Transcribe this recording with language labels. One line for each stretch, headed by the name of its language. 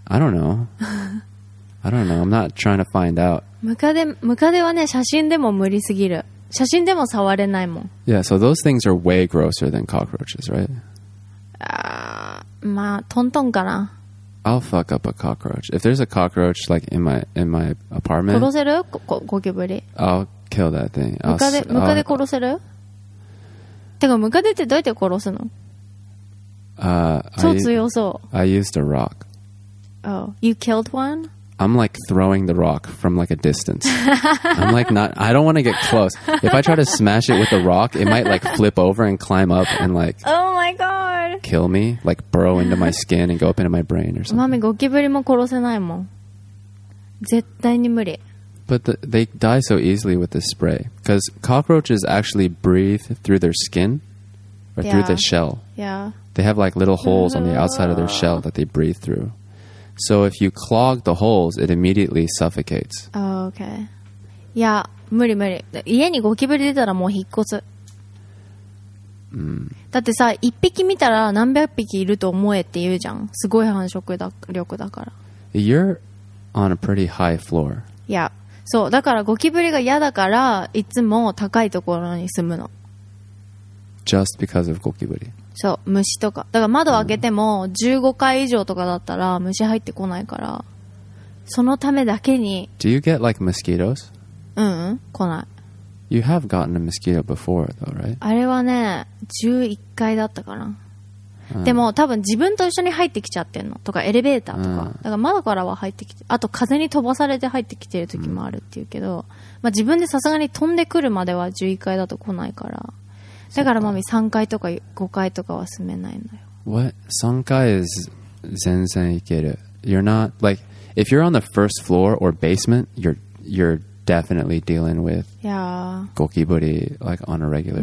English: I don't know. I'm not trying to find out.
Japanese: ムカデはね、写真でも無理すぎる。写真でも触れないもん。
English: Yeah, so those things are way grosser than cockroaches, right?
Japanese: まあ、トントンかな。
English: I'll fuck up a cockroach. If there's a cockroach like in my apartment,
Japanese: 殺せる？ゴキブリ。
English: I'll kill that thing.
Japanese: ムカデ殺せる？てかムカデってどうやって殺すの？超強そう。
English: I used a rock. Oh, you killed one? I'm like throwing the rock from like a distance. I'm like not, I don't want to get close. If I try to smash it with a rock, it might like flip over and climb up and like, oh my god, kill me, like burrow into my skin and go up into my brain or something.
Japanese: マミ、ゴキブリも殺せないもん。絶対に無理。
English: But they die so easily with the spray. Because cockroaches actually breathe through their skin or through the shell. Yeah. They have like little holes on the outside of their shell that they breathe through. So if you clog the holes, it immediately suffocates. Oh, okay. Yeah,
Japanese: 無理無理。家にゴキブリ出たらもう引っ越す。 Mm. だってさ、一匹見たら何百匹いると思えって言うじゃん。すごい繁殖力だから。
English: You're on a pretty high floor. Yeah.
Japanese: そう、だからゴキブリが嫌だから、いつも高いところに住むの。
English: Just because of ゴキブリ。
Japanese: そう、虫とか。だから窓を開けても15階以上とかだったら虫入ってこないから、そのためだけに。
English: Do you get like mosquitoes?
Japanese: うん、来ない。
English: You have gotten a mosquito before though, right?
Japanese: あれはね、11階だったかな。でも多分自分と一緒に入ってきちゃってんの。とかエレベーターとか。だから窓からは入ってきて、あと風に飛ばされて入ってきてる時もあるっていうけど、まあ自分でさすがに飛んでくるまでは11階だと来ないから。だからマミ3階とか5階とかは住めないのよ。
English: What?
Japanese: 3階is 全然いける。
English: You're not, like, if you're on the first floor or basement, you're definitely dealing with ゴキブリ like on a regular basis.